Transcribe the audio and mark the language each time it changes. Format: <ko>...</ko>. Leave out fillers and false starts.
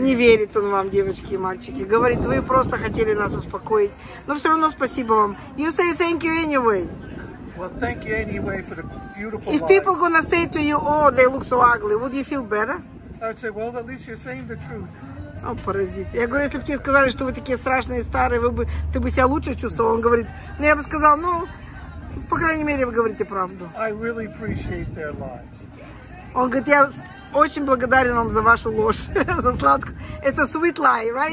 <ru>Не верит он вам, девочки и мальчики. Говорит, вы просто хотели нас успокоить. Но все равно спасибо вам.</ru> <en>You say thank you anyway. Well, thank you anyway for the beautiful life. If people gonna say to you, oh, they look so ugly, would you feel better? I'd say, well, at least you're saying the truth.</en> <ru>О, паразит. Я говорю, если бы тебе сказали, что вы такие страшные, старые, ты бы себя лучше чувствовал. Он говорит, ну я бы сказал, ну, по крайней мере, вы говорите правду.</ru> <en>I really appreciate their lies.</en> <ru>Он говорит, я очень благодарен вам за вашу ложь, за сладкую.</ru> <en>It's a sweet lie, right?</en>